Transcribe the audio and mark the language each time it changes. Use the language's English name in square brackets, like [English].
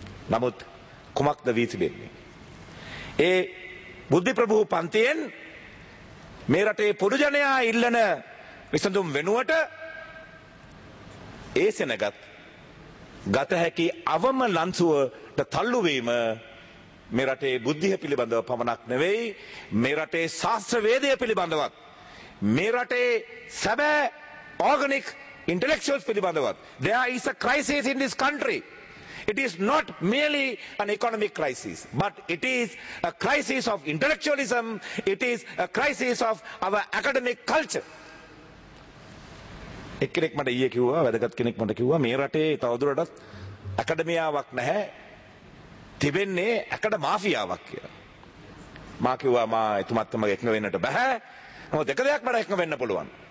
[Sinhala] නමුත් කුමක්ද වී තිබෙන්නේ? ඒ බුද්ධි ප්‍රභූ පන්තියෙන් මේ රටේ පොදු ජනයා ඉල්ලන විසඳුම් වෙනුවට ඒ සෙනගත් ගත හැකි අවම ලන්සුවට තල්ලු වීම මේ රටේ බුද්ධිය පිළිබඳව පමණක් නෙවෙයි මේ රටේ ශාස්ත්‍ර වේදය පිළිබඳවත් මේ රටේ සැබෑ ඕර්ගනික් ඉන්ටෙලෙක්චුවල්ස් පිළිබඳවත්. [English] There is a crisis in this country. It is not merely an economic crisis, but it is a crisis of intellectualism. It is a crisis of our academic culture. [Sinhala] එක්කෙනෙක් මට ඊයේ කිව්වා වැදගත් කෙනෙක් මට කිව්වා මේ රටේ තවදුරටත් අකඩමියාවක් නැහැ තිබෙන්නේ අකඩ මාෆියාවක් කියලා. මා කිව්වා මා එතුමත් සමග එකඟ වෙන්නට බෑ. මොකද එක දෙයක් මට එකඟ වෙන්න පුළුවන්.